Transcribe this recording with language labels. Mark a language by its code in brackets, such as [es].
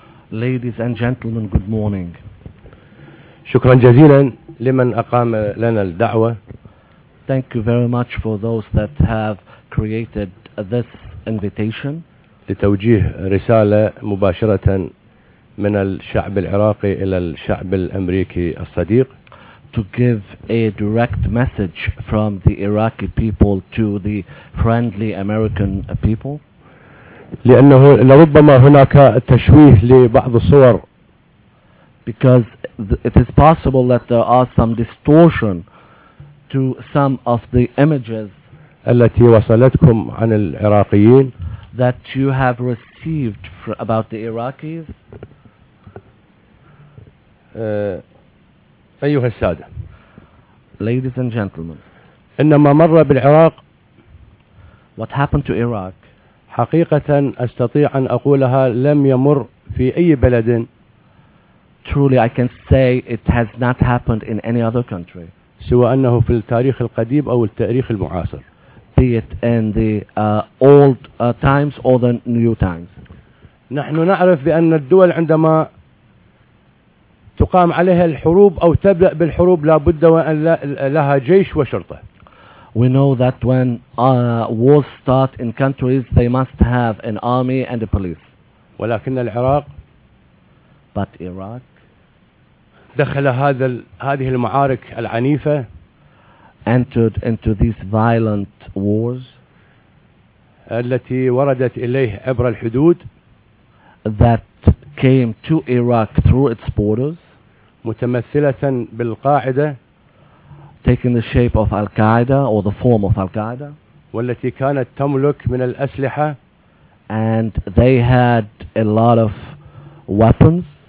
[en] Ladies and gentlemen, good morning. [ar] شكرا جزيلا لمن أقام لنا الدعوة. [en] Thank you very much for those that have created this invitation. [ar] لتوجيه رسالة مباشرة من الشعب العراقي إلى الشعب الأمريكي الصديق. [en] To give a direct message from the Iraqi people to the friendly American people. [ar] لأنه لربما هناك تشويه لبعض الصور. [en] Because it is possible that there are some distortion to some of the images [ar] التي وصلتكم عن العراقيين [en] that you have received about the Iraqis. [ar] أيها السادة. [en] Ladies and gentlemen. [ar] إنما مر بالعراق. [en] What happened to Iraq? [ar] حقيقة أستطيع أن أقولها لم يمر في أي بلد. [en] Truly I can say it has not happened in any other country. [ar] سوى أنه في التاريخ القديم أو التاريخ المعاصر. [en] Be it in the old times or the new times. [ar] نحن نعرف بأن الدول عندما تقام عليها الحروب أو تبدأ بالحروب لا بد وأن لها جيش وشرطة. [en] We know that when wars start in countries, they must have an army and a police. [ar] ولكن العراق. [en] But Iraq. [ar] دخل هذه المعارك العنيفة [en] entered into these violent wars [ar] التي وردت إليه عبر الحدود [en] that came to Iraq through its borders, [ar] متمثلة بالقاعدة, [en] taking the shape of Al-Qaeda or the form of Al-Qaeda, [ar] والتي كانت تملك من الأسلحة, [en] and they had a lot of weapons,